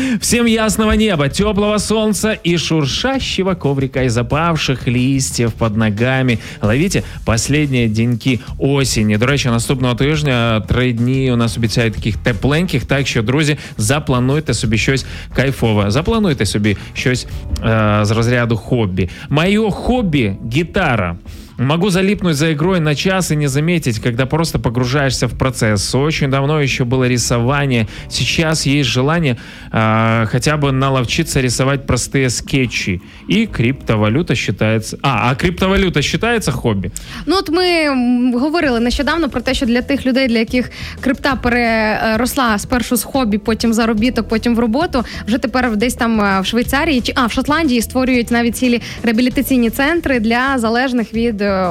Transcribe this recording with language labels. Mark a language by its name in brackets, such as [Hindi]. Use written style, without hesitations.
[Ukrainian] Всім ясного неба, теплого сонця і шуршащого коврика і запавших лістів під ногами. Ловіте останні деньки осені. До речі, наступного тижня 3 дні у нас обіцяють таких тепленьких, так що, друзі, заплануйте собі щось кайфове. Плануйте собі щось з розряду хобі. Моє хобі – гітара. [Russian] Могу залипнуть за игрой на час и не заметить, когда просто погружаешься в процесс. Очень давно еще было рисование. Сейчас есть желание хотя бы наловчиться рисовать простые скетчи. И криптовалюта считается... А криптовалюта считается хобби? [Ukrainian] Ну от ми говорили нещодавно про те, що для тих людей, для яких крипта переросла спершу з хобі, потім заробіток, потім в роботу, вже тепер десь там в Швейцарії, чи в Шотландії створюють навіть цілі реабілітаційні центри для залежних від